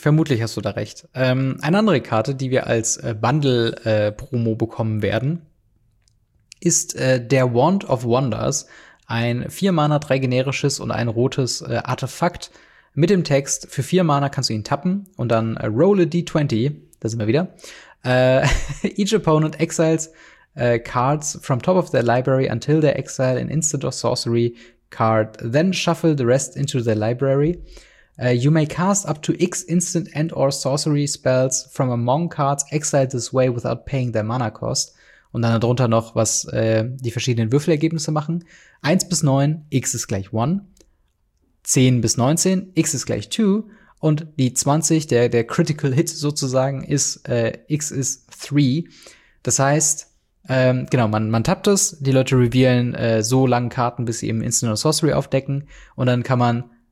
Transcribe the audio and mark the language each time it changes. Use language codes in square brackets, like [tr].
[de] Vermutlich hast du da recht. Eine andere Karte, die wir als Bundle-Promo bekommen werden, ist der Wand of Wonders. Ein 4 Mana, 3 generisches und ein rotes Artefakt mit dem Text, für 4 Mana kannst du ihn tappen und dann [en] roll a d20. [de] Da sind wir wieder. [en] Each opponent exiles cards from top of their library until they exile an instant or sorcery card. Then shuffle the rest into their library. You may cast up to X instant and or sorcery spells from among cards exiled this way without paying their mana cost. [de] Und dann darunter noch, was die verschiedenen Würfelergebnisse machen. 1 bis 9, X ist gleich 1. 10 bis 19, X ist gleich 2. Und die 20, der Critical Hit sozusagen, ist X ist 3. Das heißt, genau, man tappt es. Die Leute revealen so lange Karten, bis sie eben Instant und Sorcery aufdecken. Und dann kann man